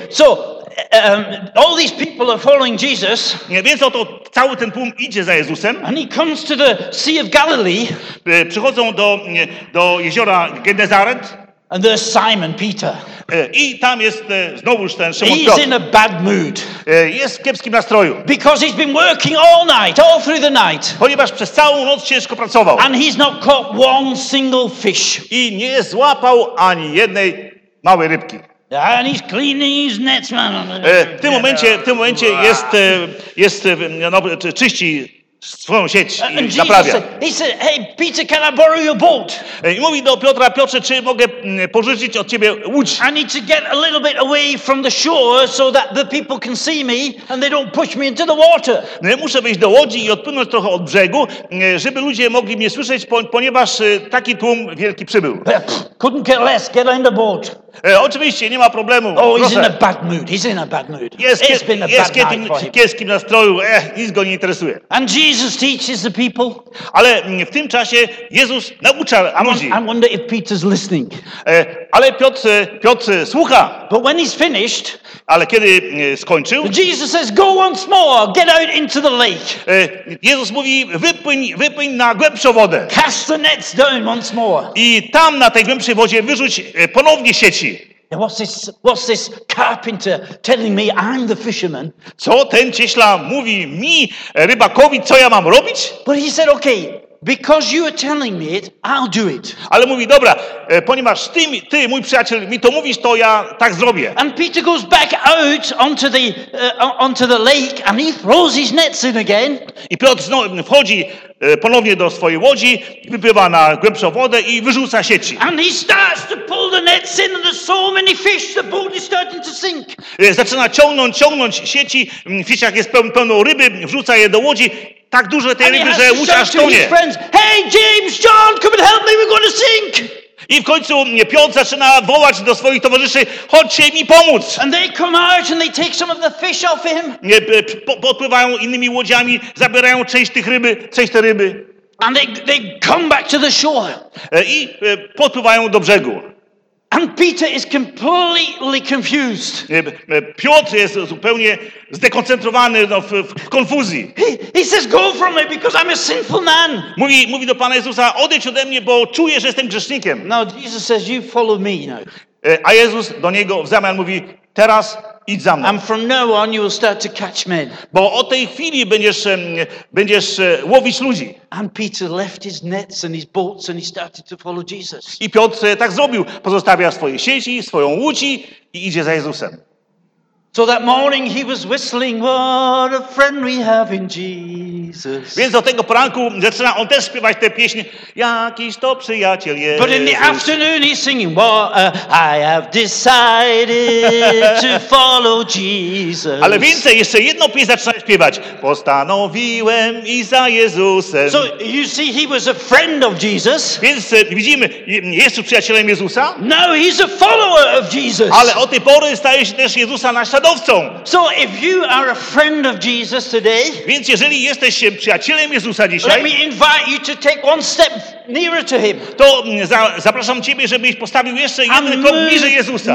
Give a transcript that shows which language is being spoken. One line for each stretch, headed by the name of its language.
English: So all these people are following Jesus.
Polish: Nie, więc oto cały ten tłum idzie za Jezusem.
English: And he comes to the Sea of Galilee.
Polish: Przychodzą do jeziora Genezaret.
English: And there's Simon Peter.
Polish: I tam jest znowuż ten Szymon
English: Piotr. He's in a bad mood.
Polish: Jest w kiepskim nastroju.
English: Because he's been working all night, all through the night.
Polish: Ponieważ przez całą noc ciężko pracował.
English: And he's not caught one single fish.
Polish: I nie złapał ani jednej małej rybki.
English: And he's cleaning his nets, man.
Polish: W tym momencie jest czyści swoją sieć i naprawia.
English: He said, hey, Peter, can I borrow your boat?
Polish: I mówi do Piotra, Piotrze, czy mogę pożyczyć od ciebie łódź?
English: I need to get a little bit away from the shore so that the people can see me and they don't push me into the water.
Polish: No, ja muszę wejść do łodzi i odpłynąć trochę od brzegu, żeby ludzie mogli mnie słyszeć, ponieważ taki tłum wielki przybył.
English: Couldn't care less, get on the boat.
Polish: Oczywiście, nie ma problemu.
English: Oh, he's in a bad mood. He's in a bad mood.
Polish: Jest w kiepskim nastroju. Nic go nie interesuje.
English: And Jesus teaches the people.
Polish: Ale w tym czasie Jezus naucza ludzi.
English: I wonder if Peter's listening.
Polish: Ale Piotr słucha.
English: But when he's finished,
Polish: ale kiedy skończył,
English: Jesus says, go once more, get out into the lake.
Polish: Jezus mówi, wypłyń na głębszą wodę.
English: Cast the nets down once more.
Polish: I tam na tej głębszej wodzie wyrzuć ponownie sieci.
English: Now what's this carpenter telling me I'm the fisherman?
Polish: Co ten cieśla mówi mi, rybakowi, co ja mam robić?
English: But he said, okay, because you are telling me it, I'll do it.
Polish: Ale mówi, dobra, ponieważ ty, mój przyjaciel, mi to mówisz, to ja tak zrobię.
English: And Peter goes back out onto the lake and he throws his nets in again.
Polish: I Piotr znowu wchodzi ponownie do swojej łodzi, wypływa na głębszą wodę i wyrzuca sieci.
English: And he starts to pull the nets in and there's so many fish, the boat is starting to sink.
Polish: Zaczyna ciągnąć sieci, w sieciach jest pełno ryby, wrzuca je do łodzi. Tak duże tej ryby, że łódź aż tonie.
English: Hey James, John, come and help me, we're going to sink.
Polish: I w końcu Piotr zaczyna wołać do swoich towarzyszy, chodźcie mi pomóc.
English: And they come out and they take some of the fish off him.
Polish: Podpływają innymi łodziami, zabierają część tej ryby.
English: And they come back to the shore.
Polish: I podpływają do brzegu.
English: And Peter is completely confused.
Polish: Piotr jest zupełnie zdekoncentrowany, w konfuzji.
English: He says, go from me because I'm a sinful man.
Polish: Mówi do Pana Jezusa, odejdź ode mnie, bo czuję, że jestem grzesznikiem.
English: No, Jesus says, you follow me now.
Polish: A Jezus do niego w zamian mówi, teraz idź za mną.
English: And from now on you will start to catch men.
Polish: Bo od tej chwili będziesz łowić ludzi.
English: And Peter left his nets and his boats and he started to follow Jesus.
Polish: I Piotr tak zrobił, pozostawia swoje sieci, swoją łódź i idzie za Jezusem.
English: So that morning he was whistling, what a friend we have in Jesus.
Polish: Więc do tego poranku zaczyna on też śpiewać tę pieśń, jakiś to przyjaciel Jezus.
English: But in the afternoon he's singing, I have decided to follow Jesus.
Polish: Ale więcej, jeszcze jedną pieśń zaczyna śpiewać, postanowiłem i za Jezusem.
English: So you see, he was a friend of Jesus.
Polish: Więc widzimy, jest przyjacielem Jezusa.
English: Now he's a follower of Jesus.
Polish: Ale od tej pory staje się też Jezusa na śladowcą.
English: So if you are a friend of Jesus today,
Polish: więc jeżeli jesteś przyjacielem Jezusa dzisiaj,
English: let me invite you to take one step nearer to him.
Polish: To zapraszam ciebie, żebyś postawił jeszcze jeden krok bliżej Jezusa.